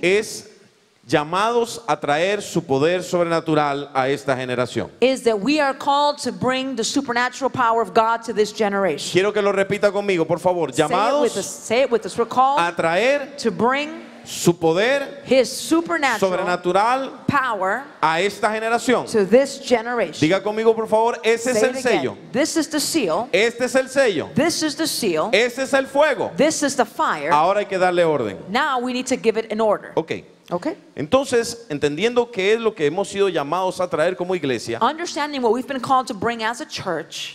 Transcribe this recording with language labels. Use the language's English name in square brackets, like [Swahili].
[Spanish] es llamados a traer su poder sobrenatural a esta generación. [English] Is that we are called to bring the supernatural power of God to this generation. [Spanish] Quiero que lo repita conmigo, por favor. Llamados [English] say it with us. We're called [Spanish] a traer, [English] to bring, [Spanish] su poder, [English] his supernatural, [Spanish] sobrenatural [English] power [Spanish] a esta generación. [English] To this generation. [Spanish] Diga conmigo, por favor, ese [English] Say [Spanish] es el sello. [English] This is the seal. [Spanish] Este es el sello. [English] This is the seal. [Spanish] Este es el fuego. [English] This is the fire. [Spanish] Ahora hay que darle orden. [English] Now we need to give it an order. Okay. Okay. [Spanish] Entonces, entendiendo qué es lo que hemos sido llamados a traer como iglesia, [English] understanding what we've been called to bring as a church,